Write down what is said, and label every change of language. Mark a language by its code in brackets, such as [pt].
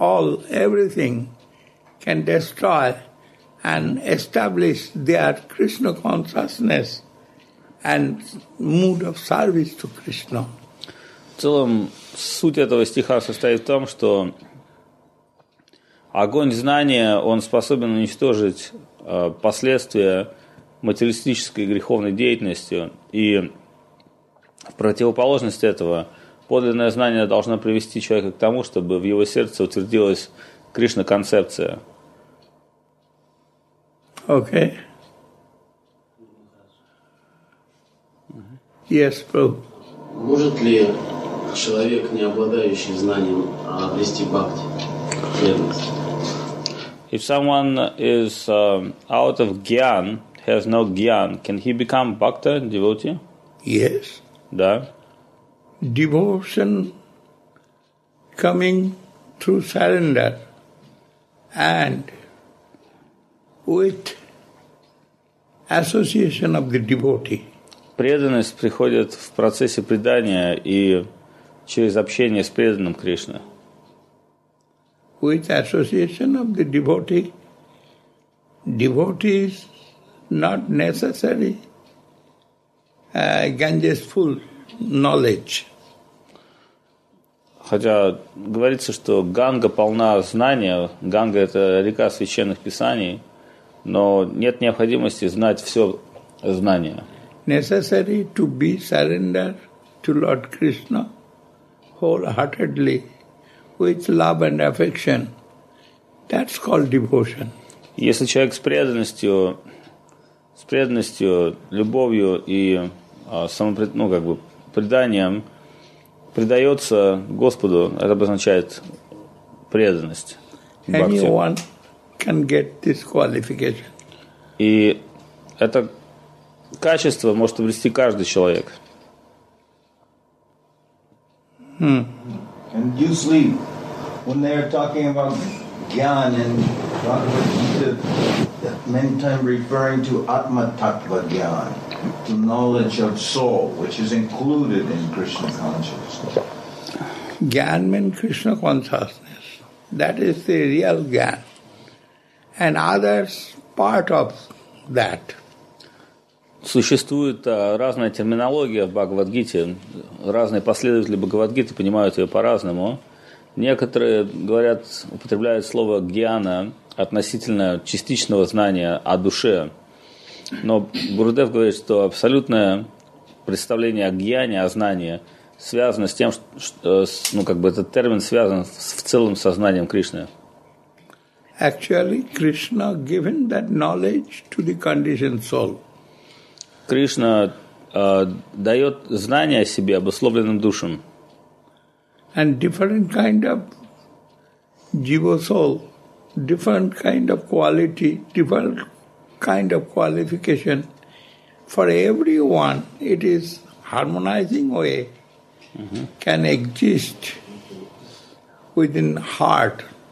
[en] all, everything can destroy and establish their Krishna consciousness and mood of service to Krishna. [ru] В целом, суть этого стиха состоит в том, что огонь знания, он способен уничтожить последствия материалистической греховной деятельности, и в противоположность этого подлинное знание должно привести человека к тому, чтобы в его сердце утвердилась Кришна-концепция. Окей. [en] Okay. Yes, Prabhu. [ru] Может ли человек, не обладающий знанием, обрести бхакти, преданность? [en] If someone is out of gyan, has no gyan, can he become bhakta, devotee? Yes. [ru] Да. [en] Devotion coming through surrender and with association of the devotee. [ru] Преданность приходит в процессе предания и через общение с преданным Кришной. [en] With association of the devotee, devotee is not necessary Ganges full knowledge. [ru] Хотя говорится, что Ганга полна знания, Ганга – это река священных писаний, но нет необходимости знать все знания. [en] Necessary to be surrendered to Lord Krishna wholeheartedly, with love and affection. That's called devotion. [ru] Если человек с преданностью, любовью и преданием предается Господу, это обозначает преданность. [en] Anyone can get this qualification. [ru] И это качество может обрести каждый человек. [en] And usually, when they are talking about Gyan and Bhagavad Gita, many times referring to Atma Tattva Gyan, the knowledge of soul, which is included in Krishna consciousness. Gyan means Krishna consciousness. That is the real Gyan. And others part of that. [ru] Существует разная терминология в Бхагавад-гите. Разные последователи Бхагавад-гиты понимают ее по-разному. Некоторые говорят, употребляют слово «гьяна» относительно частичного знания о душе. Но Гурудев говорит, что абсолютное представление о гьяне, о знании, связано с тем, что этот термин связан с в целом сознанием Кришны. [en] Actually, Krishna given that knowledge to the conditioned soul. [ru] Кришна дает знание о себе обусловленным душам. [en] And different kind of jiva soul, different kind of quality, different kind of qualification. For everyone, it is harmonizing way can exist within heart.